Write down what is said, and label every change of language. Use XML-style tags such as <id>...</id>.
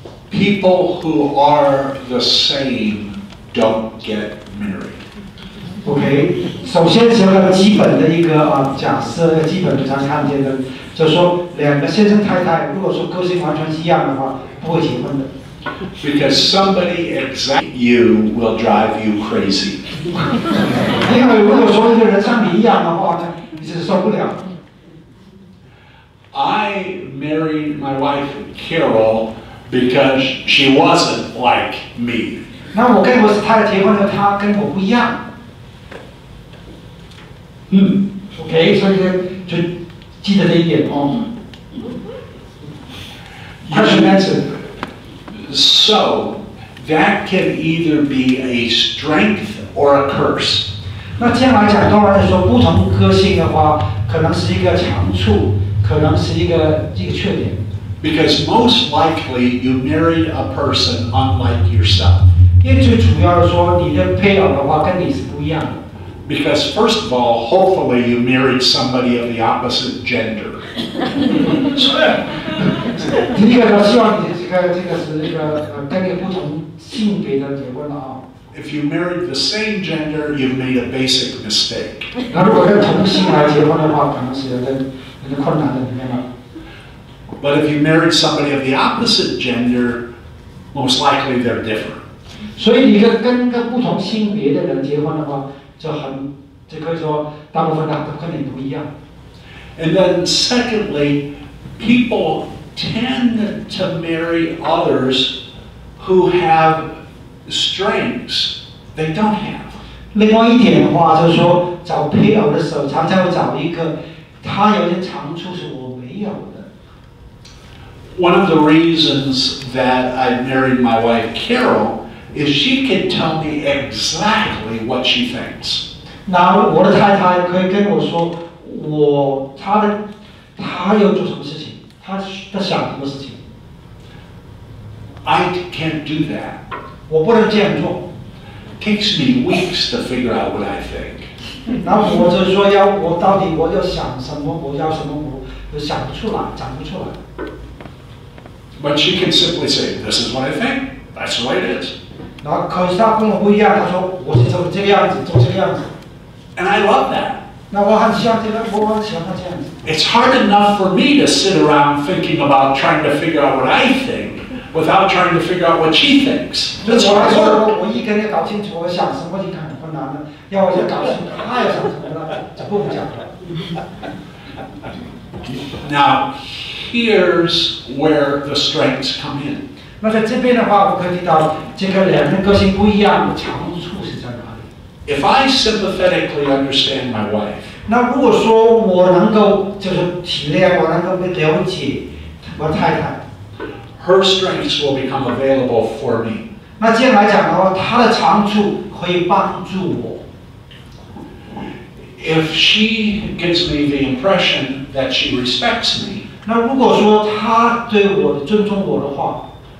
<en>People who are the same don't get married. Okay.</en> <zh>首先是一个基本的一个假设，基本常看见的，就说两个先生太太，如果说个性完全一样的话，不会结婚的。</zh> <en>Because somebody exactly you will drive you crazy.</en> <zh>因为如果说一个人像你一样的话呢，你是受不了。</zh> <en>I married my wife Carol. Because she wasn't like me.</en> <zh>那我跟我太太结婚了，她跟我不一样。 Okay, 所以就记得这一点哦。</zh> <en>Question answer. So that can either be a strength or a curse.</en> <zh>那这样来讲，当然说不同个性的话，可能是一个长处，可能是一个缺点。</zh> <en>Because most likely you married a person unlike yourself.</en> <zh>因为最主要的说，你的配偶的话跟你是不一样的。</zh> <en>Because first of all, hopefully you married somebody of the opposite gender.</en> <zh>第一个呢，希望你这个是一个跟你不同性别的结婚了啊。</zh> <en>If you married the same gender, you've made a basic mistake.</en> <zh>那如果跟同性来结婚的话，可能是有点困难的里面了。</zh> <en>But if you married somebody of the opposite gender, most likely they're different.</en> <zh>所以你跟个不同性别的人结婚的话，就可以说大部分都跟你不一样。</zh> <en>And then secondly, people tend to marry others who have strengths they don't have.</en> <zh>另外一点的话，就是说找配偶的时候，常常会找一个他有点长处是我没有。</zh> <en>One of the reasons that I married my wife Carol is she can tell me exactly what she thinks.</en> <zh>那我的太太可以跟我说她要做什么事情，她想什么事情。</zh> <en>I can't do that.</en> <zh>我不能这样做。</zh> <en>Takes me weeks to figure out what I think.</en> <zh>那我就说要我到底我要想什么，我要什么，我就想不出来，讲不出来。</zh> <en>But she can simply say, "This is what I think. That's the way it is."</en> <zh>那可是她跟我不一样，她说我是做这个样子，做这个样子。</zh> <en>And I love that.</en> <zh>那我很喜欢这个，我很喜欢她这样子。</zh> <en>It's hard enough for me to sit around thinking about trying to figure out what I think, without trying to figure out what she thinks. That's what I want.</en> <zh>我一跟你搞清楚我想什么，你看很困难的，要我就搞清楚他要想什么了，就不讲了。</zh> <en>Now, here's where the strengths come in.</en> <zh>那在这边的话，我可以提到这个两个人个性不一样的长处是在哪里。</zh> <en>If I sympathetically understand my wife.</en> <zh>那如果说我能够就是体谅，我能够了解我太太。</zh> <en>Her strengths will become available for me.</en> <zh>那这样来讲的话，她的长处可以帮助我。</zh> <en>If she gives me the impression that she respects me.</en> <zh>那如果说她对我尊重我的话。</zh>